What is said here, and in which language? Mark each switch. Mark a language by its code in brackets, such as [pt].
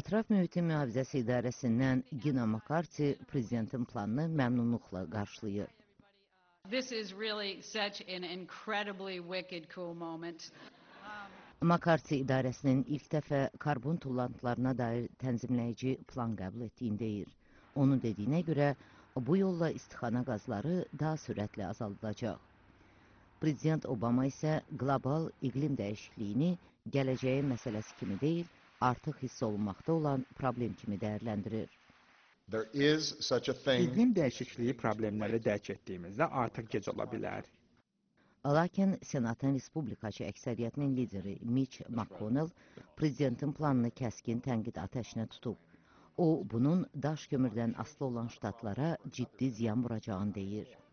[az] Ətraf Mühitin Mühafizəsi İdarəsindən Gina McCarthy prezidentin planını məmnunluqla qarşılayır. [en] This is really such an incredibly wicked cool moment. [az] McCarthy idarəsinin ilk dəfə karbon tullantılarına dair tənzimləyici plan qəbul etdiyini deyir. Onun dediyinə görə, bu yolla istixana qazları daha sürətlə azaldılacaq. Prezident Obama isə qlobal iqlim dəyişikliyini gələcəyin məsələsi kimi deyil, artıq hiss olunmaqda olan problem kimi dəyərləndirir. İqlim dəyişikliyi problemləri dərk etdiyimizdə artıq gec ola bilər. Lakin Senatın Respublikaçı əksəriyyətinin lideri Mitch McConnell prezidentin planını kəskin tənqid atəşinə tutub. O, bunun daş kömürdən asılı olan ştatlara ciddi ziyan vuracağını deyir.